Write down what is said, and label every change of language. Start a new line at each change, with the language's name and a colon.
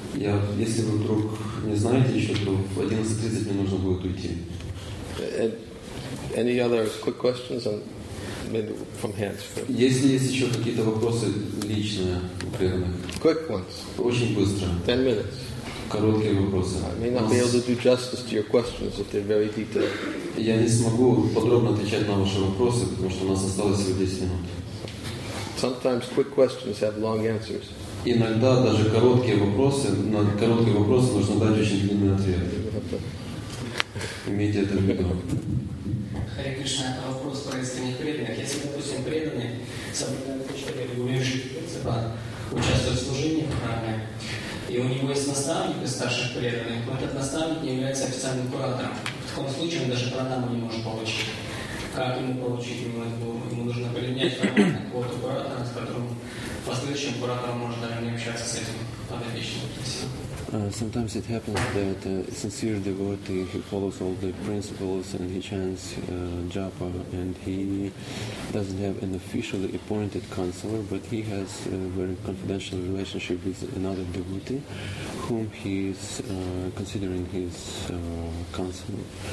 Russian: Yeah, если вы вдруг не знаете еще, то в 11:30 мне нужно будет уйти.
English: And any other quick questions on maybe from hands for?
Russian: Если есть еще какие-то вопросы личные у преданных.
English: Quick ones.
Russian: Очень быстро.
English: 10 minutes.
Russian: Короткие вопросы.
English: I may not be able to do justice to your questions if they're very detailed.
Russian: Я не смогу подробно отвечать на ваши вопросы, потому что у нас осталось всего 10 минут.
English: Sometimes quick questions have long answers.
Russian: Иногда даже короткие вопросы, на короткие вопросы нужно дать очень длинный ответ. Имейте это в виду. Харе Кришна, это вопрос про искренних преданных. Если, допустим, преданные соблюдают какие-то регулирующие принципы, участвуют в служении в храме, и у него есть наставник из старших преданных, но этот наставник не является официальным куратором. В таком случае он даже пранаму не может получить. Как ему получить? Ему нужно принять формат какого-то куратора, с которым в последующем куратором может даже не общаться с этим подопечным.
English: Sometimes it happens that a sincere devotee, he follows all the principles and he chants japa, and he doesn't have an officially appointed counselor, but he has a very confidential relationship with another devotee whom he is considering his counselor.